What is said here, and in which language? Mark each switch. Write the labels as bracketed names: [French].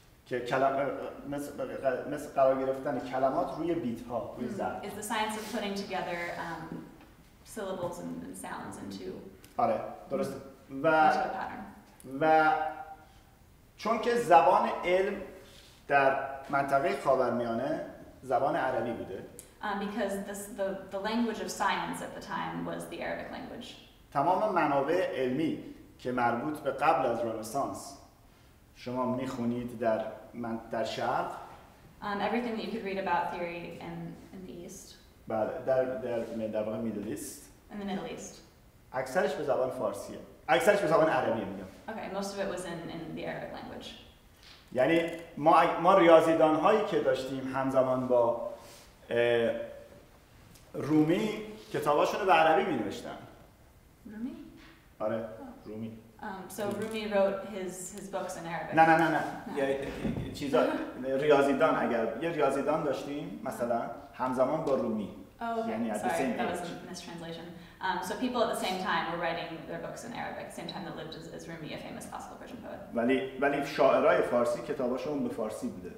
[Persian] مثل قرار گرفتن کلمات روی بیت ها روی ضرب. [English] Is the science of putting together syllables and sounds into [Persian] آره درست و [English] pattern. [Persian] و چون که زبان علم در منطقه خاورمیانه زبان عربی بوده [English] because the language of science at the time was the Arabic language. [Persian] تمام منابع علمی که مربوط به قبل از رنسانس شما میخونید در من در شرق [English] everything that you could read about theory in the east. [Persian] بله در واقع میدل ایست. [English] In the Middle East. [Persian] اکثرش به زبان فارسیه. اکثرش به زبان عربی میگم. [English] Okay, most of it was in the Arabic language. [Persian] یعنی ما ریاضیدان هایی که داشتیم همزمان با رومی کتاباشون رو به عربی می نوشتن. رومی؟ آره، رومی. [English] So Rumi wrote his books in Arabic. [Persian] نه نه نه نه. چیزا ریاضیدان اگر یه ریاضیدان داشتیم مثلا همزمان با رومی. [English] Oh, okay. Sorry, that was a mistranslation. So people at the same time were writing their books in Arabic, same time that lived as Rumi, a famous classical Persian poet. [Persian] ولی شاعرای فارسی کتاباشون به فارسی بوده.